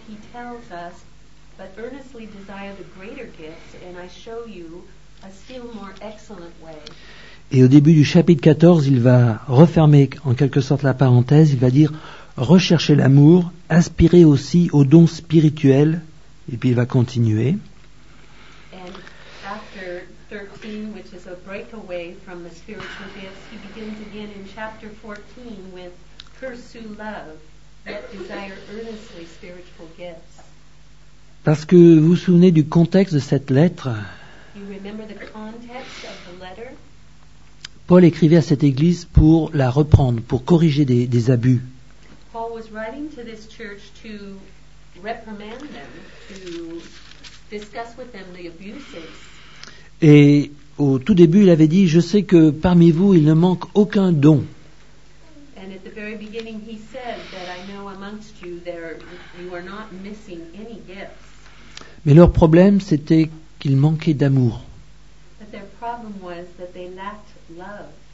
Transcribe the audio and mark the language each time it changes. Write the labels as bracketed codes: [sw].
[en] But earnestly desire the greater gifts, and I show you a still more excellent way. [fr] Et au début du chapitre 14, il va refermer en quelque sorte la parenthèse. Il va dire recherchez l'amour, aspirez aussi aux dons spirituels, et puis il va continuer. [en] And after 13, which is a breakaway from the spiritual gifts, he begins again in chapter 14 with pursue love, yet desire earnestly spiritual gifts. [fr] Parce que vous vous souvenez du contexte de cette lettre. [en] You remember the context of the letter? [fr] Paul écrivait à cette église pour la reprendre, pour corriger des abus. [en] Paul was writing to this church to reprimand them, to discuss with them the abuses. [fr] Et au tout début, il avait dit, je sais que parmi vous, il ne manque aucun don. [en] And at the very beginning, he said that I know amongst you there you are not missing any gifts. [fr] Mais leur problème, c'était qu'ils manquaient d'amour. [en] But their problem was that they lacked love.